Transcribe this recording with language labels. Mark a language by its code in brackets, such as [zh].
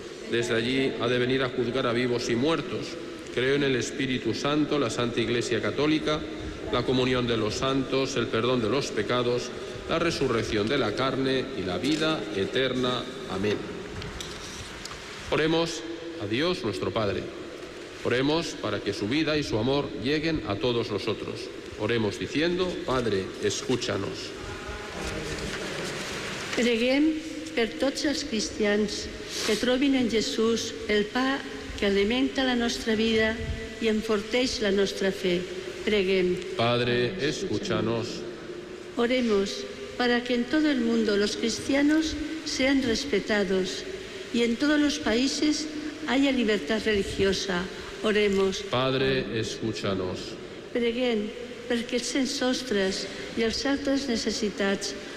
[es] Desde allí ha de venir a juzgar a vivos y muertos. Creo en el Espíritu Santo, la Santa Iglesia Católica, la comunión de los santos, el perdón de los pecados, la resurrección de la carne y la vida eterna. Amén. Oremos a Dios nuestro Padre. Oremos para que su vida y su amor lleguen a todos nosotros. Oremos diciendo, Padre, escúchanos. [ca] Creguem per tots els cristians que trobin en Jesús el pa que alimenta la nostra vida i enforteix la nostra fe. Preguem. [es] Padre, escúchanos. Oremos para que en todo el mundo los cristianos sean respetados y en todos los países haya libertad religiosa. Oremos. Padre, escúchanos. [ca] Preguem perquè els sensostres i els altres necessitats